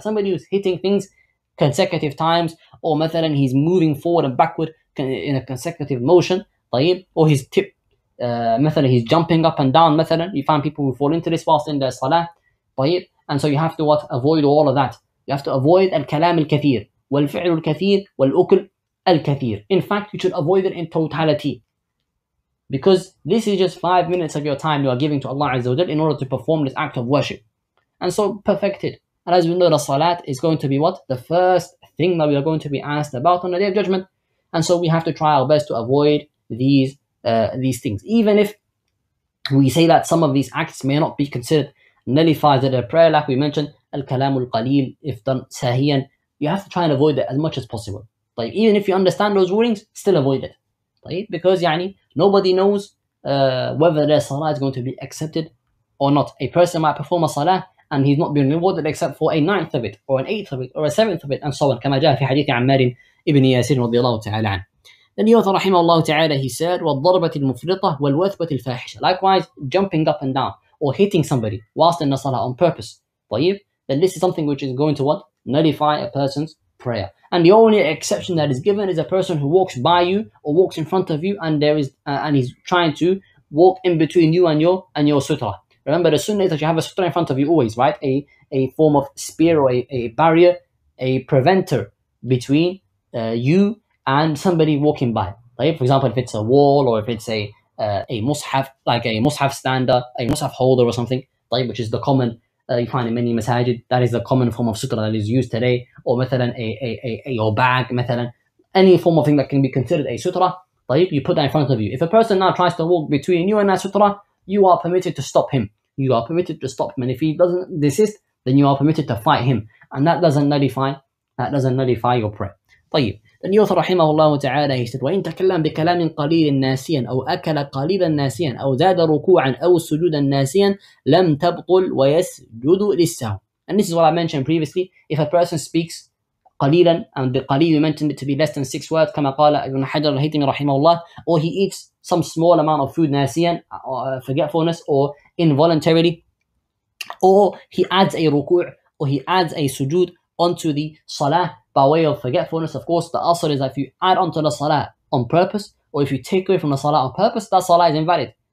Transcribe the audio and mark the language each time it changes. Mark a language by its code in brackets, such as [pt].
[en] Somebody who's hitting things consecutive times, or مثلا he's moving forward and backward in a consecutive motion, طيب, or his tip, مثلا he's jumping up and down, مثلا, you find people who fall into this whilst in their salah, طيب, and so you have to what, avoid all of that. You have to avoid [ar] الكلام الكثير, والفعل الكثير, والأكل الكثير. [en] In fact, you should avoid it in totality, because this is just 5 minutes of your time you are giving to Allah Azza wa Jal in order to perform this act of worship. And so perfect it. And as we know, the salat is going to be what? The first thing that we are going to be asked about on the Day of Judgment. And so we have to try our best to avoid these things. Even if we say that some of these acts may not be considered nullified in a prayer, like we mentioned, al-kalamul qaleel, if done sahiyan, you have to try and avoid it as much as possible. Like, even if you understand those rulings, still avoid it. Because يعني, nobody knows whether their salah is going to be accepted or not. A person might perform a salah and he's not being rewarded except for a ninth of it, or an eighth of it, or a seventh of it, and so on. [ar] كما جاء في حديث عمار ابن ياسر رضي الله تعالى عنه. [en] Then the author, [ar] رحمه الله تعالى, [en] he said, [ar] والضربة المفرطة والوثبة الفاحشة. [en] Likewise, jumping up and down or hitting somebody whilst in the salah on purpose. طيب, then this is something which is going to what? Nullify a person's prayer. And the only exception that is given is a person who walks by you or walks in front of you, and there is and he's trying to walk in between you and your sutra. Remember, the sunnah is that you have a sutra in front of you always, right? A form of spear or a barrier, a preventer between you and somebody walking by. Right? For example, if it's a wall, or if it's a mushaf, like a mushaf stander, a mushaf holder or something, right? Which is the common you find in many masajid, that is the common form of sutra that is used today, or مثلا a your bag, مثلا, any form of thing that can be considered a sutra, طيب, you put that in front of you. If a person now tries to walk between you and that sutra, you are permitted to stop him. You are permitted to stop him, and if he doesn't desist, then you are permitted to fight him, and that doesn't nullify your prayer. [ar] طيب, [en] then the author, rahimahullah ta'ala, he said, [ar] وَإِن تَكَلَّمْ بِكَلَامٍ قَلِيلٍ نَاسِيًا أَوْ أَكَلَ قَلِيلًا نَاسِيًا أَوْ زَادَ رُكُوعًا أَوْ سُجُودًا نَاسِيًا لَمْ تَبْطُلْ وَيَسْجُدُ لِلسَّهْوِ. [en] And this is what I mentioned previously. If a person speaks قَلِيلًا, and the قَلِيل, we mentioned it to be less than 6 words, [ar] كَمَا قَالَ ابن حَجَرَ الْهَيْتِمِ رَحِمَهُ اللَّهِ, [en] or he eats some small amount of food نَاسِيًا, forgetfulness or involuntarily, or he adds a ruku' or he adds a sujood onto the salah by way of forgetfulness, of course, the asr is that if you add onto the salah on purpose, or if you take away from the salah on purpose, that salah is invalid.